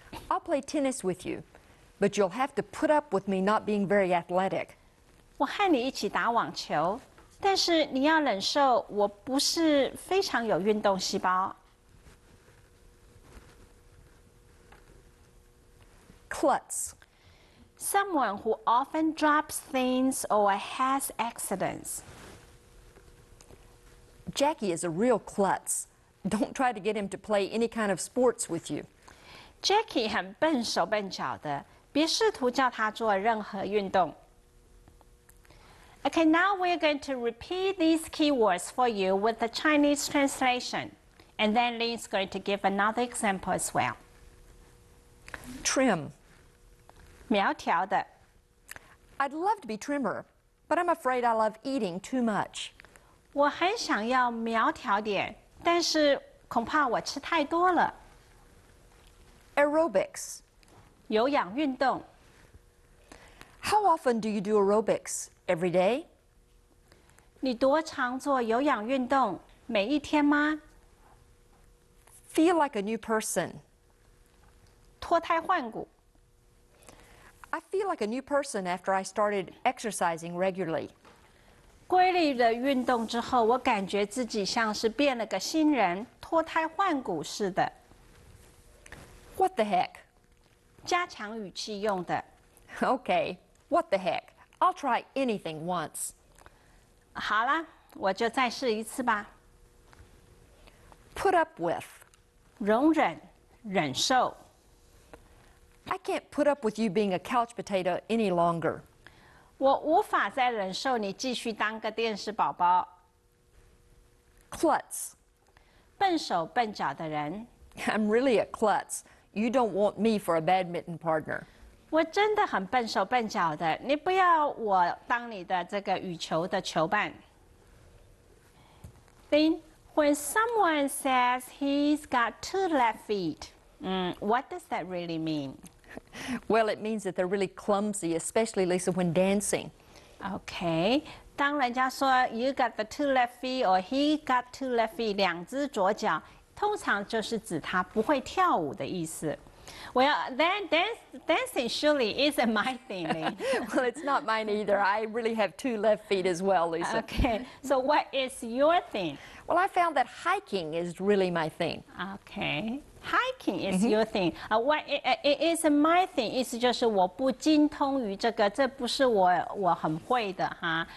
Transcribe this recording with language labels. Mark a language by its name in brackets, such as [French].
[English] I'll play tennis with you, but you'll have to put up with me not being very athletic. [Chinese] 我和你一起打网球，但是你要忍受我不是非常有运动细胞。 [English] Klutz. Someone who often drops things or has accidents. Jackie is a real klutz. Don't try to get him to play any kind of sports with you. [Chinese] Jackie 很笨手笨脚的，别试图叫他做任何运动。 [English] Okay, now we're going to repeat these keywords for you with the Chinese translation. And then Lin's going to give another example as well. Trim. [Chinese] 苗条的。 [English] I'd love to be trimmer, but I'm afraid I love eating too much. [Chinese] 我很想要苗条点，但是恐怕我吃太多了。 [English] Aerobics. [Chinese] 有氧运动。 [English] How often do you do aerobics? Every day? [Chinese] 你多常做有氧运动？每一天吗？ [English] Feel like a new person. [Chinese] 脱胎换骨。 [English] I feel like a new person after I started exercising regularly. [Chinese] 规律的运动之后，我感觉自己像是变了个新人，脱胎换骨似的。 [English] What the heck? [Chinese] 加强语气用的。 [English] Okay, what the heck? I'll try anything once. [Chinese] 好啦，我就再试一次吧。 [English] Put up with. [Chinese] 容忍，忍受。 [English] I can't put up with you being a couch potato any longer. [Chinese] 我无法再忍受你继续当个电视宝宝。 [English] Klutz. [Chinese] 笨手笨脚的人。 [English] I'm really a klutz. You don't want me for a badminton partner. [Chinese] 我真的很笨手笨脚的，你不要我当你的这个羽球的球伴。 [English] Then, when someone says he's got two left feet, what does that really mean? Well, it means that they're really clumsy, especially, Lisa, when dancing. [Chinese] Okay. 当人家说 [English] you got the two left feet [Chinese] or he got two left feet, 两只左脚，通常就是指他不会跳舞的意思。 [English] Well, then dancing surely isn't my thing. Well, it's not mine either. I really have two left feet as well, Lisa. Okay, so what is your thing? Well, I found that hiking is really my thing. Okay, hiking is your thing. It isn't my thing. [Chinese] 意思就是我不精通于这个，这不是我很会的哈。